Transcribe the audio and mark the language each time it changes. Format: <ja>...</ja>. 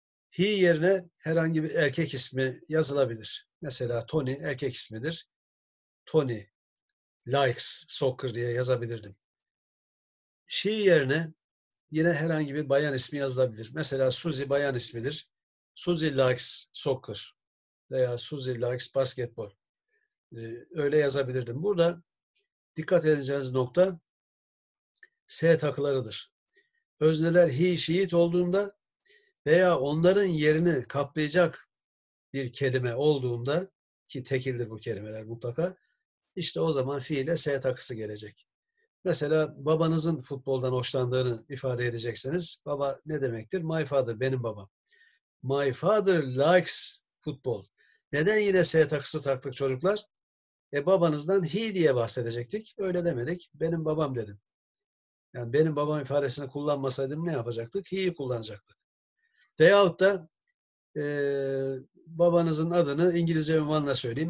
<tr>He yerine herhangi bir erkek ismi yazılabilir. Mesela Tony erkek ismidir.</tr> <en>Tony likes soccer</en> <tr>diye yazabilirdim. She yerine yine herhangi bir bayan ismi yazılabilir. Mesela Suzy bayan ismidir.</tr> <en>Suzy likes soccer</en> <tr>veya</tr> <en>Suzy likes basketbol.</en> <tr>Öyle yazabilirdim. Burada dikkat edeceğiniz nokta S takılarıdır. Özneler he, she olduğunda veya onların yerini kaplayacak bir kelime olduğunda ki tekildir bu kelimeler mutlaka işte o zaman fiile S takısı gelecek. Mesela babanızın futboldan hoşlandığını ifade edeceksiniz. Baba ne demektir?</tr> <en>My father,</en> <tr>benim babam.</tr> <en>My father likes football.</en> <tr>Neden yine S takısı taktık çocuklar? Babanızdan he diye bahsedecektik. Öyle demedik. Benim babam dedim. Yani benim babam ifadesini kullanmasaydım ne yapacaktık? He'yi kullanacaktık. Veyahut da babanızın adını İngilizce ünvanla söyleyeyim.</tr>